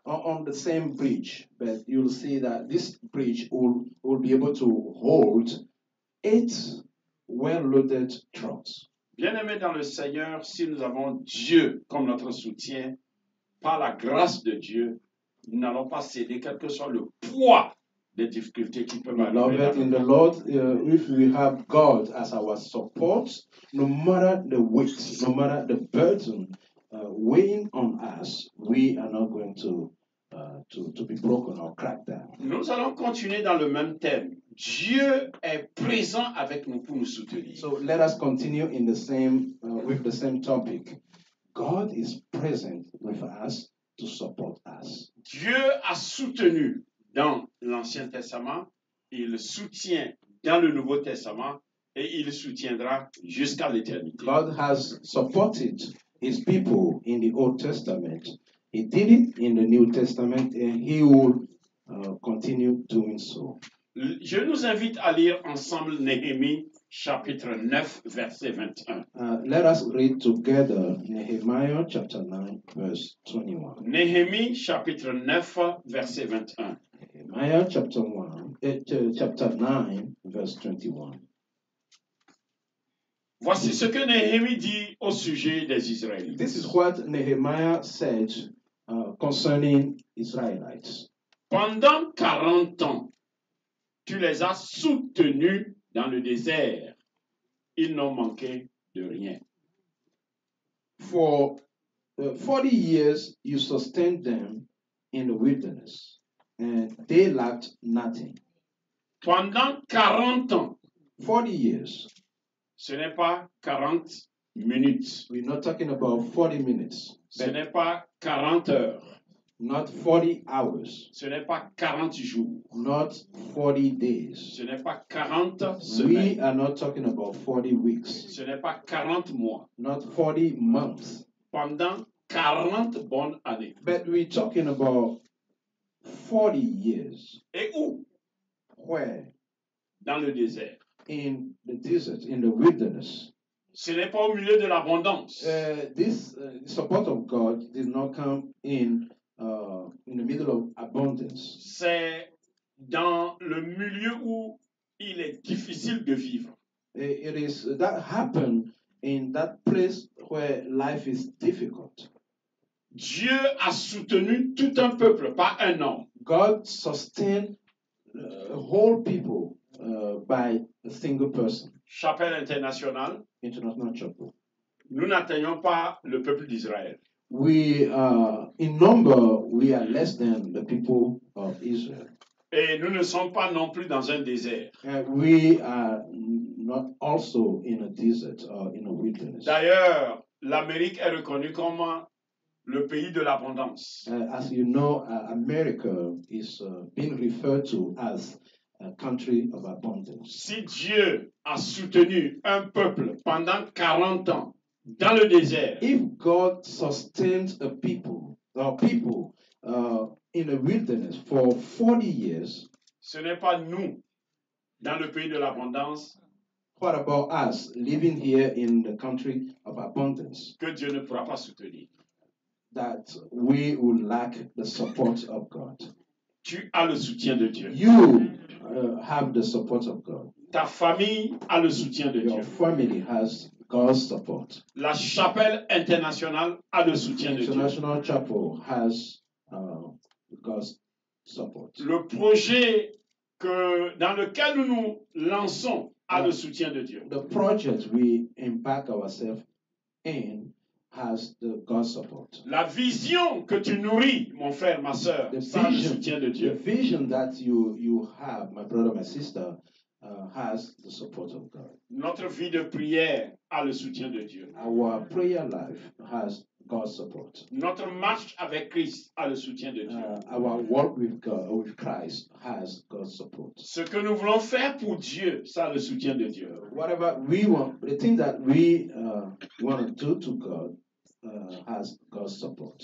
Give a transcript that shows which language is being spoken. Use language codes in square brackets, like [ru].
[en] On the same bridge, but you'll see that this bridge will be able to hold eight well-loaded trucks. [fr] Bien-aimés dans le Seigneur, si nous avons Dieu comme notre soutien, par la grâce de Dieu, nous n'allons pas céder, quel que soit le poids des difficultés qui peuvent arriver. [en] Beloved in the Lord, if we have God as our support, no matter the weight, no matter the burden weighing on us, we are not going to be broken or cracked down. [fr] Nous allons continuer dans le même thème. Dieu est présent avec nous pour nous soutenir. [en] So let us continue in the same with the same topic. God is present with us to support us. [fr] Dieu a soutenu dans l'Ancien Testament, il soutient dans le Nouveau Testament et il soutiendra jusqu'à l'éternité. [en] God has supported his people in the Old Testament. He did it in the New Testament and he will continue doing so. [fr] Je nous invite à lire ensemble Néhémie chapitre 9 verset 21. [en] Let us read together Nehemiah chapter 9 verse 21. [fr] Néhémie chapitre 9 verset 21. [en] Nehemiah chapter 1 chapter 9 verse 21. [fr] Voici ce que Néhémie dit au sujet des Israélites. [en] This is what Nehemiah said concerning Israelites. [fr] Pendant 40 ans, tu les as soutenus dans le désert. Ils n'ont manqué de rien. [en] For 40 years, you sustained them in the wilderness, and they lacked nothing. [fr] Pendant 40 ans. [en] 40 years. [fr] Ce n'est pas 40 minutes. [en] We're not talking about 40 minutes. [fr] Ce n'est pas 40 heures. [en] Not 40 hours. [fr] Ce n'est pas 40 jours. [en] Not 40 days. [fr] Ce n'est pas 40 semaines. [en] We are not talking about 40 weeks. [fr] Ce n'est pas 40 mois. [en] Not 40 months. [fr] Pendant 40 bonnes années. [en] But we're talking about 40 years. [fr] Et où? [en] Where? [fr] Dans le désert. [en] In the desert, in the wilderness. [fr] Ce n'est pas au milieu de l'abondance. [en] This support of God did not come in the middle of abundance. [fr] C'est dans le milieu où il est difficile de vivre. [en] It is that happened in that place where life is difficult. [fr] Dieu a soutenu tout un peuple, pas un homme. [en] God sustained whole people by a single person. [fr] Chapelle internationale. [en] International chapel. [fr] Nous n'atteignons pas le peuple d'Israël. [en] We in number we are less than the people of Israel. [fr] Et nous ne sommes pas non plus dans un désert. [en] We are not also in a desert or in a wilderness. [fr] D'ailleurs, l'Amérique est reconnue comme le pays de l'abondance. [en] As you know, America is being referred to as a country of abundance. [fr] Si Dieu a soutenu un peuple pendant 40 ans dans le désert. [en] If God sustained a people, or people in a wilderness for 40 years, [fr] ce n'est pas nous dans le pays de l'abondance. [en] What about us living here in the country of abundance? [fr] Que Dieu ne pourra pas soutenir. [en] That we will lack the support of God. [fr] Tu as le soutien de Dieu. [en] You have the support of God. [fr] Ta famille a le soutien de [en] Your [fr] Dieu. [en] Your family has God's support. [fr] La chapelle internationale a le soutien de Dieu. [en] International chapel has God's support. [fr] Le projet que dans lequel nous nous lançons a le soutien de Dieu. [en] The project we embark ourselves in has the God's support. [fr] La vision que tu nourris, mon frère, ma sœur, a le soutien de Dieu. [en] The vision that you have, my brother, my sister, has the support of God. [fr] Notre vie de prière a le soutien de Dieu. [en] Our prayer life has God's support. [fr] Notre marche avec Christ a le soutien de Dieu. [en] Our walk with God, with Christ, has God's support. [fr] Ce que nous voulons faire pour Dieu, ça a le soutien de Dieu. [en] Whatever we want, the thing that we want to do to God, has God's support.